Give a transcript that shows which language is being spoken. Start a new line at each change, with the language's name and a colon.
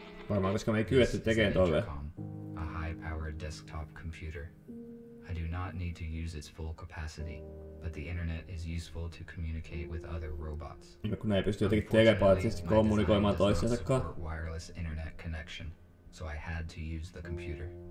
Finnish: Varmaan koska me ei kyetty tekemään tolle.
English: A high-powered desktop computer. I do not need to use its full capacity, but the internet is useful to communicate with other robots.
Finnish: Ja kun ei pysty jotenkin telepaattisesti kommunikoimaan toisensa kanssa.
English: Wireless internet connection, so I had to use the computer.